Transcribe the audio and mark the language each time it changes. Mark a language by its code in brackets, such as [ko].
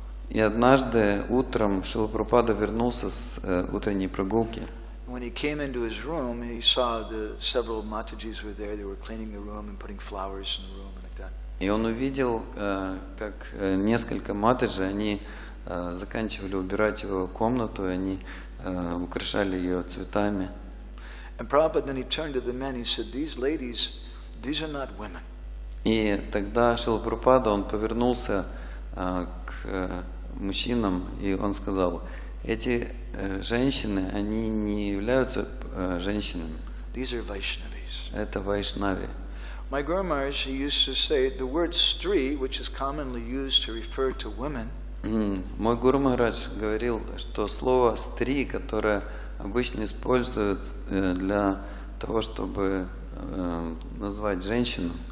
[ru] И однажды утром Шрила Прабхупада вернулся с утренней прогулки. [en] When he came into his room, he saw the several Matajis were there. They were cleaning the room and putting flowers in the room and like that. [ru] И он увидел, как несколько матаджи, они заканчивали убирать его комнату, они украшали ее цветами. [en] And Prabhupada, then he turned to the men and he said, "These ladies, these are not women." [ru] И тогда Шрила Прабхупада, он повернулся к мужчинам, и он сказал: эти женщины, они не являются женщинами. [en] These are Vaishnavis. [ru] Это Вайшнави. [en] My Guru Maharaj, he used to say the word stri, which is commonly used to refer to women. [ru] Мой Гуру Махарадж говорил, что слово стри, которое обычно используют для того, чтобы назвать женщину,